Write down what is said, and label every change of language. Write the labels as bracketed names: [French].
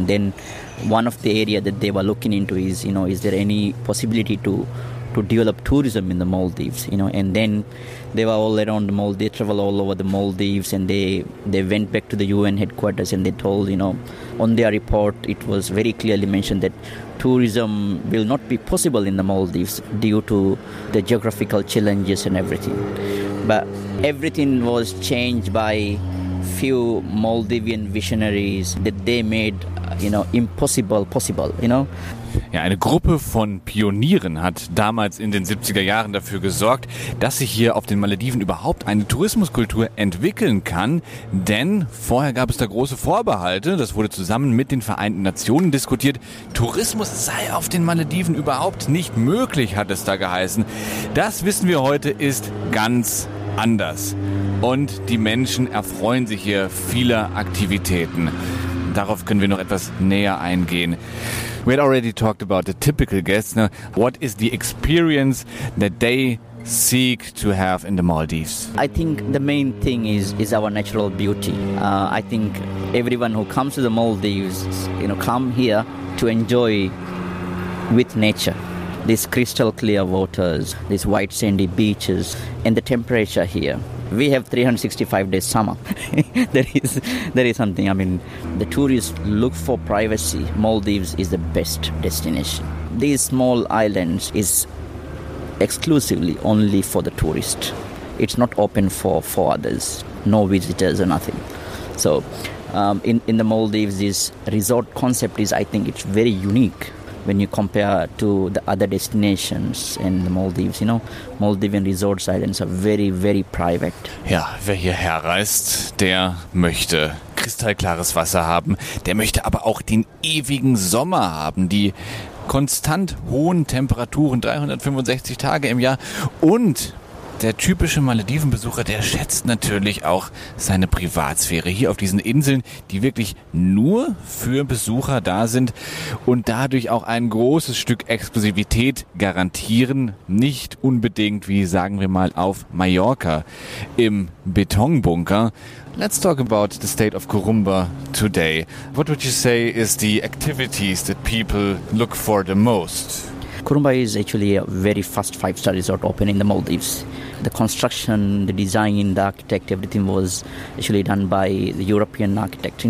[English] And then one of the area that they were looking into is, is there any possibility to develop tourism in the Maldives, and then they were all around the Maldives, they travel all over the Maldives, and they went back to the UN headquarters and they told, on their report, it was very clearly mentioned that tourism will not be possible in the Maldives due to the geographical challenges and everything. But everything was changed by few Maldivian visionaries that they made, impossible possible, [German] Ja, eine Gruppe von Pionieren hat damals in den 70er Jahren dafür gesorgt, dass sich hier auf den Malediven überhaupt eine Tourismuskultur entwickeln kann. Denn vorher gab es da große Vorbehalte. Das wurde zusammen mit den Vereinten Nationen diskutiert. Tourismus sei auf den Malediven überhaupt nicht möglich, hat es da geheißen. Das wissen wir heute, ist ganz anders. Und die Menschen erfreuen sich hier vieler Aktivitäten. darauf können wir noch etwas näher eingehen. [English] We had already talked about the typical guests. Now, what is the experience that they seek to have in the Maldives? I think the main thing is our natural beauty. I think everyone who comes to the Maldives, you know, come here to enjoy with nature. These crystal clear waters, these white sandy beaches, and the temperature here. We have 365 days summer. there is something. I mean, the tourists look for privacy. Maldives is the best destination. These small islands is exclusively only for the tourist. It's not open for others, no visitors or nothing. So in the Maldives, this resort concept is, I think, it's very unique when you compare to the other destinations in the Maldives. You know, Maldivian resort islands are very, very private. [German] Ja, wer hierher reist, der möchte kristallklares Wasser haben, der möchte aber auch den ewigen Sommer haben, die konstant hohen Temperaturen, 365 Tage im Jahr. Und der typische Maledivenbesucher, der schätzt natürlich auch seine Privatsphäre hier auf diesen Inseln, die wirklich nur für Besucher da sind und dadurch auch ein großes Stück Exklusivität garantieren. Nicht unbedingt, wie sagen wir mal, auf Mallorca im Betonbunker. [English] Let's talk about the state of Corumba today. What would you say is the activities that people look for the most? Corumba is actually a very first five-star resort opening in the Maldives. The construction, the design, the architect, everything was actually done by the European architect.